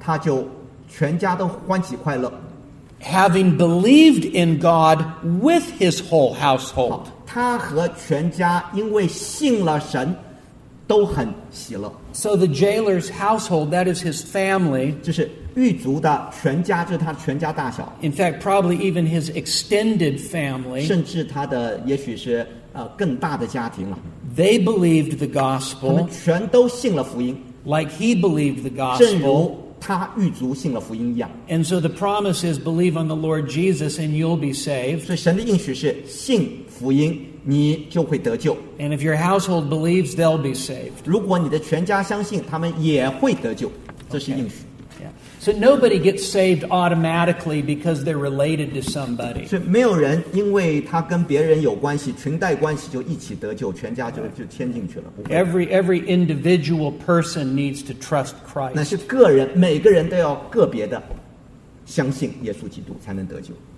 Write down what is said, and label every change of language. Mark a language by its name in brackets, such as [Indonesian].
[English] having believed in God with his whole household. [Chinese] 好, 都很喜乐. [English] So the jailer's household, that is his family, [Chinese] 就是狱卒的全家, 就是他全家大小, [English] in fact, probably even his extended family, [Chinese] 甚至他的也许是, 更大的家庭了, [English] they believed the gospel, [Chinese] 他们全都信了福音, [English] like he believed the gospel, [Chinese] 他狱卒信了福音一样. [English] And so the promise is, believe on the Lord Jesus and you'll be saved. [Chinese] 所以神的应许是, 信福音, 你就会得救. [English] And if your household believes, they'll be saved. [Chinese] 如果你的全家相信, 他们也会得救. 这是应许. [English] Okay. Yeah. So nobody gets saved automatically because they're related to somebody. [Chinese] 没有人因为他跟别人有关系, 裙带关系就一起得救, 全家就迁进去了, [English] every individual person needs to trust Christ. [Chinese] 那是个人, 每个人都要个别的, 相信耶稣基督, 才能得救.